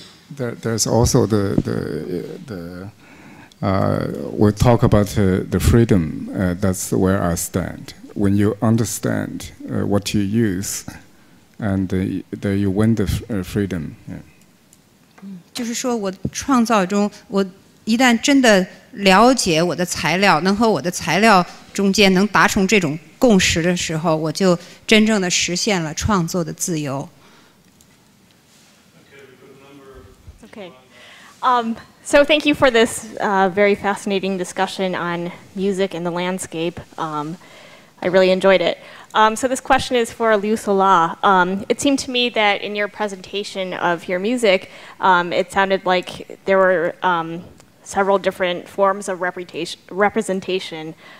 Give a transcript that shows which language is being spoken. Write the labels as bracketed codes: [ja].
[en] There's also the we'll talk about the freedom. That's where I stand. When you understand what you use, and then you win the freedom. Yeah. [zh] 就是说我创造中，我一旦真的了解我的材料，能和我的材料中间能达成这种共识的时候，我就真正的实现了创作的自由。 [en] Okay. So thank you for this very fascinating discussion on music and the landscape. I really enjoyed it. So this question is for Liu Sola. It seemed to me that in your presentation of your music, it sounded like there were several different forms of representation.